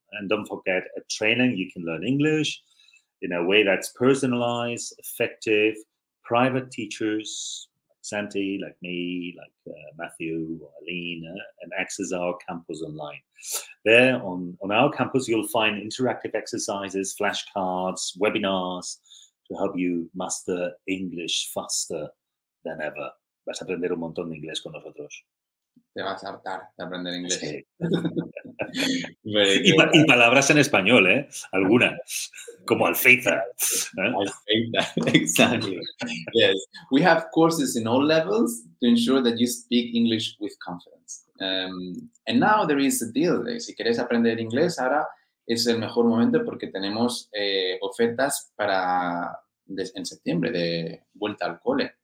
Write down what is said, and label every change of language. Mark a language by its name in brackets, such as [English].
[English] And don't forget, at Trainang, you can learn English in a way that's personalized, effective, private teachers, like Santi, like me, like Matthew, or Aline, and access our campus online. There, on our campus, you'll find interactive exercises, flashcards, webinars, to help you master English faster than ever. [Spanish] Vas a aprender un montón de inglés con nosotros. Te vas a hartar de aprender inglés. Sí. y palabras en español, ¿eh? Algunas, como Alféizar. [English] Alféizar, exactly. Yes, we have courses in all levels to ensure that you speak English with confidence. And now there is a deal. [Spanish] Si quieres aprender inglés, ahora es el mejor momento porque tenemos ofertas para en septiembre de vuelta al cole.